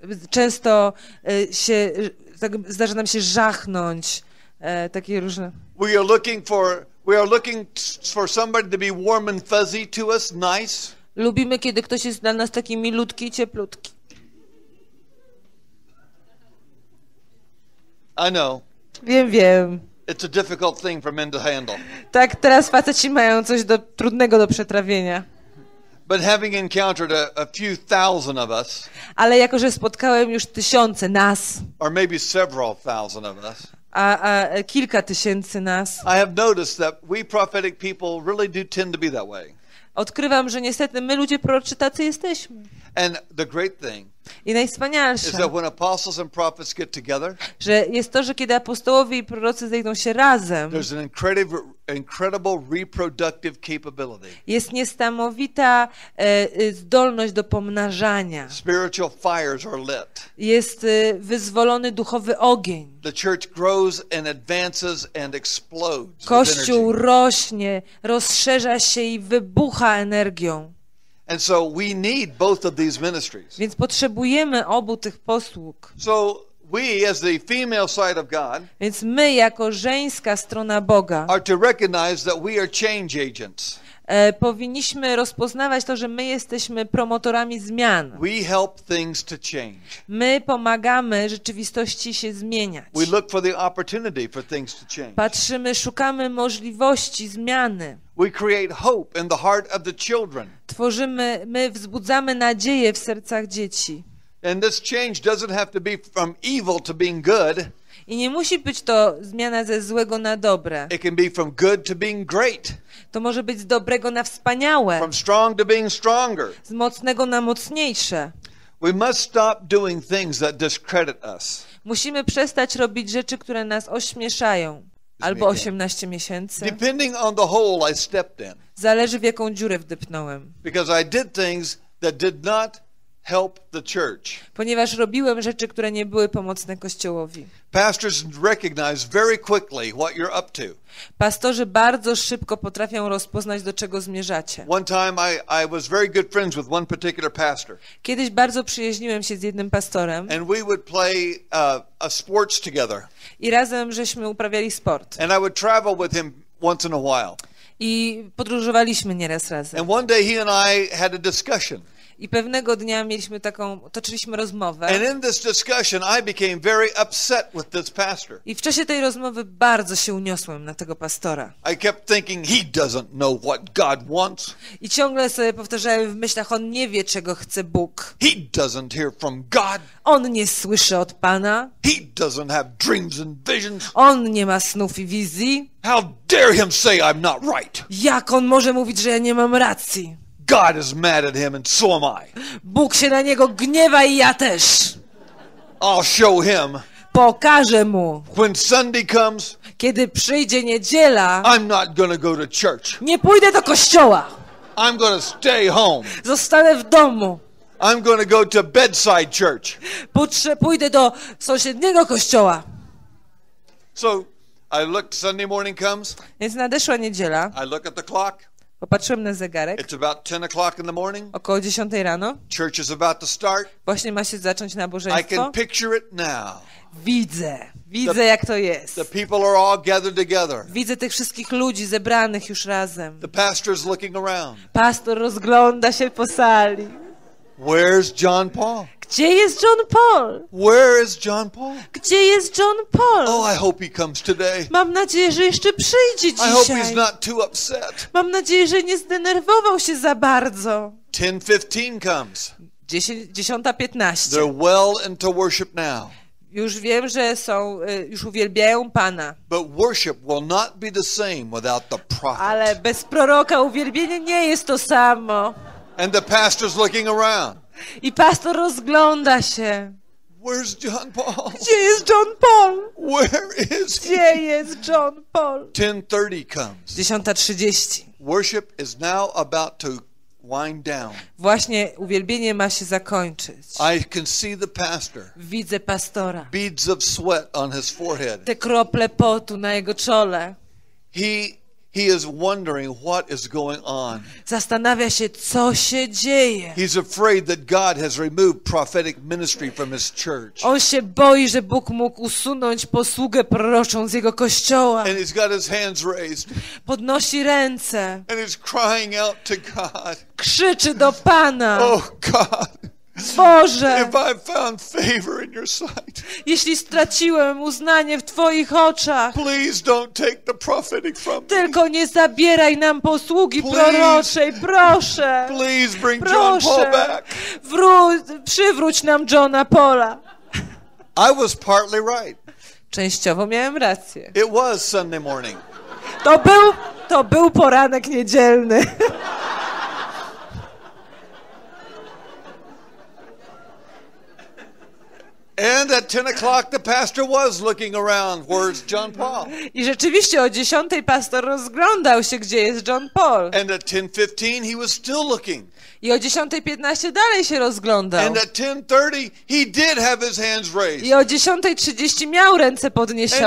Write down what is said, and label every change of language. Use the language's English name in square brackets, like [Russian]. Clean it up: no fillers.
[Polish] Często się tak zdarza nam się żachnąć takie różne. [English] We are looking for somebody to be warm and fuzzy to us, nice. [Polish] Lubimy, kiedy ktoś jest dla nas taki milutki i cieplutki. [English] I know. [Polish] Wiem. [English] It's a difficult thing for men to handle. [Polish] Tak, teraz faceci mają coś trudnego do przetrawienia. [English] But having encountered a few thousand of us, [Polish] ale jako że spotkałem już tysiące nas, [English] or maybe several thousand of us, [Polish] a kilka tysięcy nas, [English] I have noticed that we prophetic people really do tend to be that way. [Polish] Odkrywam, że niestety my ludzie proroczy tacy jesteśmy. [English] And the great thing, [Polish] i najwspanialsze, [English] is that when apostles and prophets get together, [Polish] że jest to, że kiedy apostołowie i prorocy zejdą się razem, [English] there's an incredible, incredible reproductive capability. [Polish] Jest niesamowita zdolność do pomnażania. [English] Spiritual fires are lit. [Polish] Jest wyzwolony duchowy ogień. [English] The church grows and advances and explodes. [Polish] Kościół rośnie, rozszerza się i wybucha energią. [English] And so we need both of these ministries. [Polish] Więc potrzebujemy obu tych posług. [English] So we, as the female side of God, [Polish] więc my jako żeńska strona Boga, [English] are to recognize that we are change agents. [Polish] Powinniśmy rozpoznawać to, że my jesteśmy promotorami zmian. [English] We help things to change. [Polish] My pomagamy rzeczywistości się zmieniać. [English] We look for the opportunity for things to change. [Polish] Patrzymy, szukamy możliwości zmiany. [English] We create hope in the heart of the children. [Polish] Tworzymy, my wzbudzamy nadzieję w sercach dzieci. [English] And this change doesn't have to be from evil to being good. [Polish] I nie musi być to zmiana ze złego na dobre. [English] It can be from good to being great. [Polish] To może być z dobrego na wspaniałe. [English] From strong to being stronger. [Polish] Z mocnego na mocniejsze. [English] We must stop doing things that discredit us. [Polish] Musimy przestać robić rzeczy, które nas ośmieszają. Albo 18 miesięcy. [English] Depending on the hole I stepped in. [Polish] Zależy, w jaką dziurę wdepnąłem. [English] Because I did things that did not help the church. [Polish] Ponieważ robiłem rzeczy, które nie były pomocne Kościołowi. [English] Pastors recognize very quickly what you're up to. [Polish] Pastorzy bardzo szybko potrafią rozpoznać, do czego zmierzacie. [English] One time I was very good friends with one particular pastor. [Polish] Kiedyś bardzo przyjaźniłem się z jednym pastorem. [English] And we would play a sports together. [Polish] I razem żeśmy uprawiali sport. [English] And I would travel with him once in a while. [Polish] I podróżowaliśmy nieraz razem. [English] And one day he and I had a discussion. [Polish] I pewnego dnia mieliśmy taką, toczyliśmy rozmowę. [English] And in this discussion I became very upset with this pastor. [Polish] I w czasie tej rozmowy bardzo się uniosłem na tego pastora. [English] I kept thinking he doesn't know what God wants. [Polish] I ciągle sobie powtarzałem w myślach, on nie wie, czego chce Bóg. [English] He doesn't hear from God. [Polish] On nie słyszy od Pana. [English] He doesn't have dreams and visions. [Polish] On nie ma snów i wizji. [English] How dare him say I'm not right? [Polish] Jak on może mówić, że ja nie mam racji? [English] God is mad at him and so am I. [Polish] Bóg się na niego gniewa i ja też. [English] I'll show him. [Polish] Pokażę mu. [English] When Sunday comes, [Polish] kiedy przyjdzie niedziela, [English] I'm not gonna go to church. [Polish] Nie pójdę do kościoła. [English] I'm gonna stay home. [Polish] Zostanę w domu. [English] I'm gonna go to bedside church. [Polish] Pójdę do sąsiedniego kościoła. [English] So, I looked, Sunday morning comes. [Polish] Więc nadeszła niedziela. [English] I look at the clock. [Polish] Popatrzyłem na zegarek. [English] It's about 10 o'clock in the morning. [Polish] Około 10 rano. [English] Church is about to start. [Polish] Właśnie ma się zacząć nabożeństwo. [English] I can picture it now. [Polish] Widzę, jak to jest. [English] The people are all gathered together. [Polish] Widzę tych wszystkich ludzi zebranych już razem. [English] The pastor is looking around. [Polish] Pastor rozgląda się po sali. [English] Where's John Paul? [Polish] Gdzie jest John Paul? [English] Where is John Paul? [Polish] Gdzie jest John Paul? [English] Oh, I hope he comes today. [Polish] Mam nadzieję, że jeszcze przyjdzie dzisiaj. [English] I hope he's not too upset. [Polish] Mam nadzieję, że nie zdenerwował się za bardzo. [English] 10:15 comes. [Polish] 10:15. [English] They're well into worship now. [Polish] Już wiem, że są, już uwielbiają Pana. [English] But worship will not be the same without the prophet. [Polish] Ale bez proroka uwielbienie nie jest to samo. [English] And the pastor's looking around. [Polish] I pastor rozgląda się. [English] Where's John Paul? [Polish] Gdzie jest John Paul? [English] Where is he? [Polish] Gdzie jest John Paul? [English] 10:30 comes. [Polish] 10:30. [English] Worship is now about to wind down. [Polish] Właśnie uwielbienie ma się zakończyć. [English] I can see the pastor. [Polish] Widzę pastora. [English] Beads of sweat on his forehead. [Polish] Te krople potu na jego czole. [English] He is wondering what is going on. [Polish] Zastanawia się, co się dzieje. [English] He's afraid that God has removed prophetic ministry from his church. [Polish] On się boi, że Bóg mógł usunąć posługę proroczą z jego kościoła. [English] And he's got his hands raised. [Polish] Podnosi ręce. [English] And he's crying out to God. [Polish] Krzyczy do Pana. [English] Oh God. [Polish] Boże. [English] If I found favor in your sight. [Polish] Jeśli straciłem uznanie w twoich oczach. [English] Please don't take the prophetic from me. [Polish] Tylko nie zabieraj nam posługi proroczej, proszę. [English] Please bring John Paul back. [Polish] Przywróć nam Johna Paula. [English] I was partly right. [Polish] Częściowo miałem rację. [English] It was Sunday morning. [Polish] To był poranek niedzielny. [English] And And at 10 o'clock the pastor was looking around, where's John Paul? [Polish] I rzeczywiście o 10:00 pastor rozglądał się, gdzie jest John Paul. [English] And at 10:15 he was still looking. [Polish] I o 10:15 dalej się rozglądał. [English] And at 10:30 he did have his hands raised. [Polish] I o 10:30 miał ręce podniesione.